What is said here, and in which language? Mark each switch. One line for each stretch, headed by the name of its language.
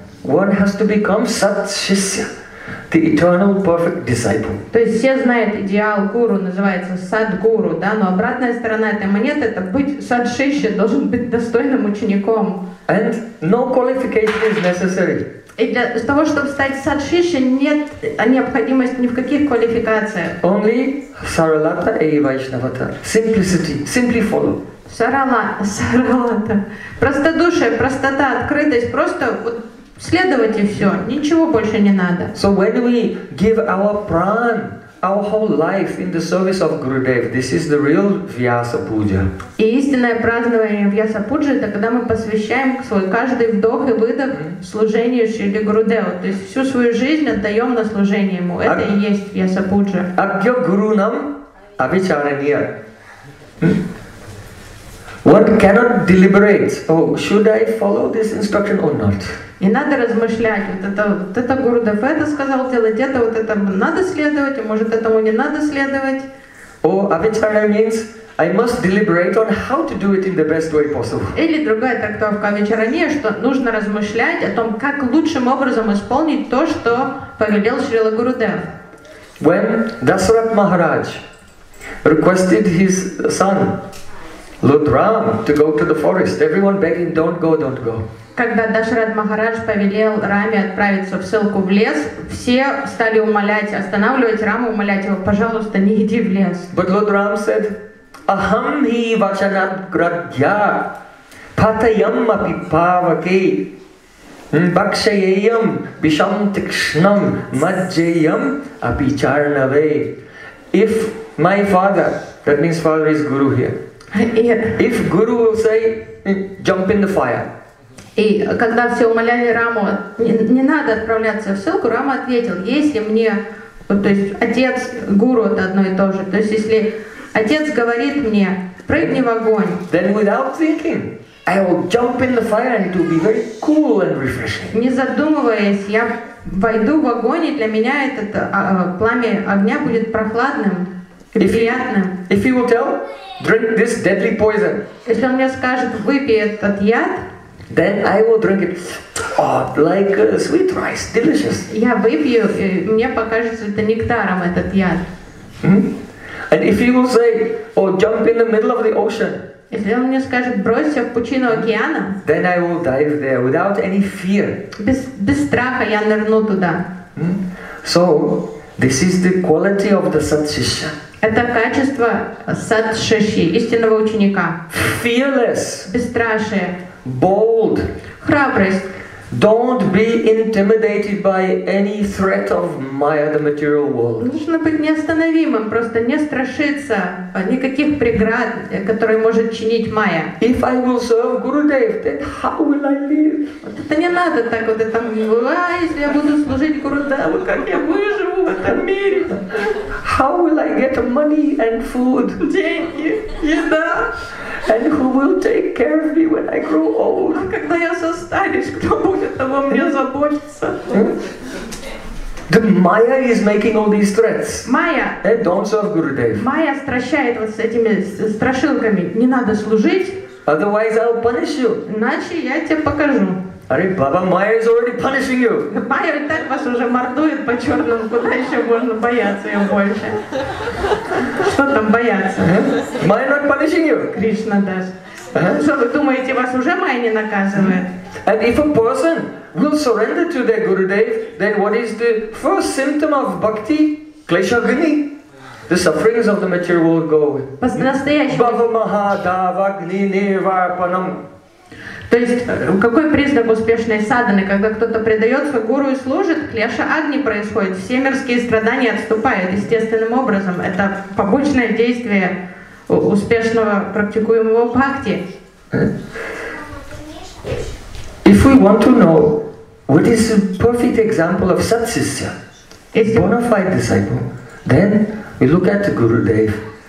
English: One has to become Sat Shishya. The eternal perfect disciple.
Russian: То есть все знают идеал гуру, называется садгуру, да, но обратная сторона этой монеты это быть садшишья, должен быть достойным учеником.
English: And no qualification is necessary.
Russian: И для того, чтобы стать садшишья, нет необходимости ни в каких квалификациях.
English: Only саралата и вайшнавата. Simplicity. Simply follow.
Russian: Саралата. Простодушие, простота, открытость, просто вот следовать и все, ничего больше не надо.
English: So when we give our pran, our whole life in the service of Gurudev, this is the real Vyasa Puja.
Russian: И истинное празднование Вьяса Пуджи это когда мы посвящаем свой каждый вдох и выдох служению Шри Гурудеву. То есть всю свою жизнь отдаем на служение ему. Это и есть Вьяса Пуджа.
Sanskrit: Агья Гуру нам авичараниа.
English: One cannot deliberate. Oh, should I follow this instruction or not?
Russian: И надо размышлять, вот это Гурудев это сказал делать, это вот это надо следовать, а может этому не надо следовать.
English: Or avicharana means I must deliberate on how to do it in the best way possible.
Russian: Или другая трактовка авичарания, что нужно размышлять о том, как лучшим образом исполнить то, что повелел Шрила Гурудев.
English: When Dasarath Maharaj requested his son Lord Ram to go to the forest, everyone begging, don't go, don't go.
Russian: Когда Дашарат Махарадж повелел Раме отправиться в ссылку в лес, все стали умолять, останавливать Раму, умолять его, пожалуйста, не иди в лес.
English: But Lord Ram said,
Sanskrit: Aham hi vachanat gradya, patayam api pavake, bakshayayam visham tikshnam madjayam api charnave.
English: If my father, that means father is guru here, if guru will say, jump in the fire,
Russian: и когда все умоляли Раму, не надо отправляться в ссылку, Рама ответил, если мне, то есть отец, гуру это одно и то же, то есть если отец говорит мне, прыгни в огонь,
English: then without thinking, I will jump in the fire and it will be very cool and refreshing.
Russian: Не задумываясь, я войду в огонь, и для меня этот пламя огня будет прохладным и приятным.
English: If he will tell, drink this deadly poison.
Russian: Если он мне скажет, выпей этот яд,
English: then I will drink it, oh, like sweet rice, delicious.
Russian: Я выпью, и мне покажется это нектаром этот яд.
English: And if you will say, oh, jump in the middle of the ocean.
Russian: Если он мне скажет, бросься в пучину океана.
English: Then I will dive there without any fear.
Russian: Без страха я нырну туда.
English: So this is the quality of the satshishya.
Russian: Это качество сатшиши, истинного ученика.
English: Fearless.
Russian: Бесстрашие.
English: Bold.
Russian: Храбрость.
English: Don't be intimidated by any threat of Maya, the material world.
Russian: Нужно быть неостановимым, просто не страшиться никаких преград, которые может чинить Maya.
English: If I will serve Gurudev, then how will I live?
Russian: Вот это не надо так вот это. А если я буду служить Гурудеву, как я выживу в этом мире?
English: How will I get money and food?
Russian: Деньги, еда.
English: And who will take care of me when I grow old?
Russian: А когда я состарюсь, кто будет обо мне заботиться?
English: The Maya is making all these threats. Maya. Don't serve Gurudev.
Russian: Maya стращает вот с этими страшилками. Не надо служить.
English: Otherwise I'll punish you.
Russian: Иначе я тебе покажу.
English: Are Baba Maya is already punishing you?
Russian: Maya и так вас уже мордует по черному. Куда еще можно бояться ее больше? Что там бояться?
English: Maya not punishing you?
Russian: Кришна дас. Что вы думаете, вас уже Maya не наказывает?
English: And if a person will surrender to their Gurudev, then what is the first symptom of bhakti? Klesha gni. The sufferings of the material world go away.
Sanskrit: Baba Maha Dava Gni Nirvarpanam.
Russian: То есть, какой признак успешной садханы, когда кто-то предается гуру и служит, клеша агни происходит, все мирские страдания отступают естественным образом. Это побочное действие успешного практикуемого бхакти.
English: If we want to know what is a perfect example of satsisya, bona fide disciple, then we look at the Gurudev.